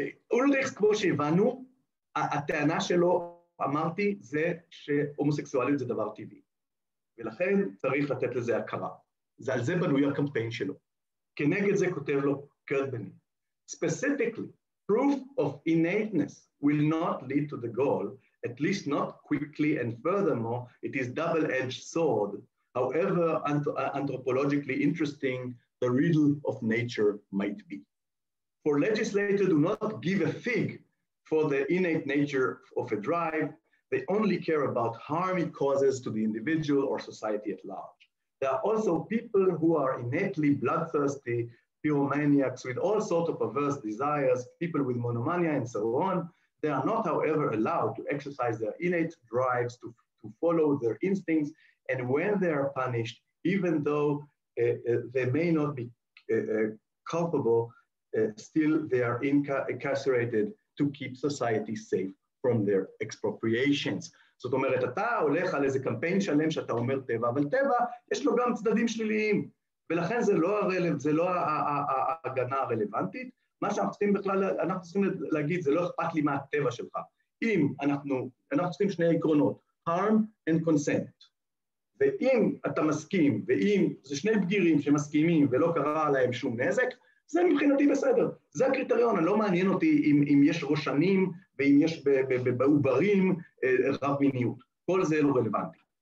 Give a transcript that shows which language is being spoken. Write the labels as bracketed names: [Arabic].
[Hebrew] אולריך, כמו שהבנו, הטענה שלו, אמרתי, זה שהומוסקסואליות זה דבר טבעי. ולכן צריך לתת לזה הכרה. זה על זה בנוי הקמפיין שלו. כנגד זה כותב לו קרטבני. [English] Specifically, proof of innateness will not lead to the goal, at least not quickly and furthermore, it is double-edged sword, however anthropologically interesting the riddle of nature might be. For legislators do not give a fig for the innate nature of a drive, they only care about harm it causes to the individual or society at large. There are also people who are innately bloodthirsty, pyromaniacs with all sorts of perverse desires, people with monomania and so on. They are not, however, allowed to exercise their innate drives to follow their instincts, and when they are punished, even though they may not be culpable, still they are incarcerated to keep society safe from their expropriations. [Hebrew] זאת אומרת, אתה הולך על איזה קמפיין שלם שאתה אומר טבע, אבל טבע יש לו גם צדדים שליליים, ולכן זה לא ההגנה הרלוונטית. מה שאנחנו צריכים בכלל, אנחנו צריכים להגיד, זה לא אכפת לי מה הטבע שלך. אם אנחנו צריכים שני עקרונות, harm and consent, ואם אתה מסכים, ואם זה שני בגירים שמסכימים ולא קרה להם שום נזק, זה מבחינתי בסדר, זה הקריטריון, אני לא מעניין אותי אם יש רושנים ואם יש בעוברים רב מיניות, כל זה לא רלוונטי.